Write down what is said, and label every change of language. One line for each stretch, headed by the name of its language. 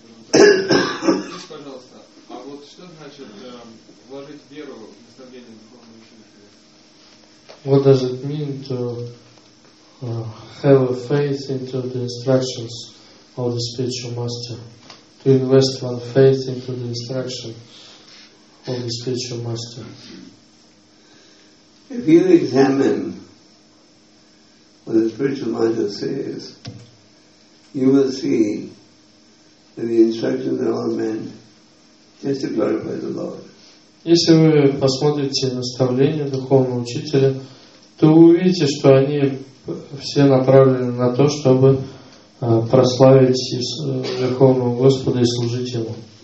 Russian: Пожалуйста, а вот что значит вложить веру в наставление духовного учителя?
English: What does it mean to have a faith into the instructions of the spiritual master? To invest one faith into the instruction of the spiritual master. If you examine what the spiritual master says, you will see that the instructions are all meant just to glorify the Lord.
Russian: Если вы посмотрите наставления духовного учителя, то вы увидите, что они все направлены на то, чтобы прославить Верховного Господа и служить Ему.